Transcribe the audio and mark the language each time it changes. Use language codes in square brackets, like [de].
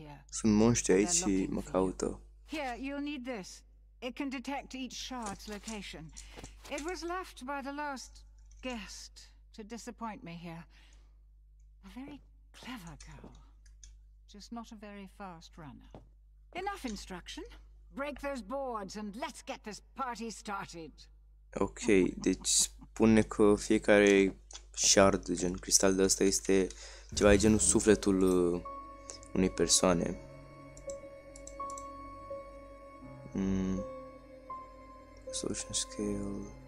[ro] Sunt monștri aici și mă caută. [en] Here, you'll need this. It can detect each shard's location. It was left by the last guest to disappoint me here. A very clever girl. Just not a very fast runner. Enough instruction. Break those boards and let's get this party started. [ro] Ok, deci spune că fiecare shard, gen cristal de ăsta, este ceva de genul sufletul unei persoane. Solution scale.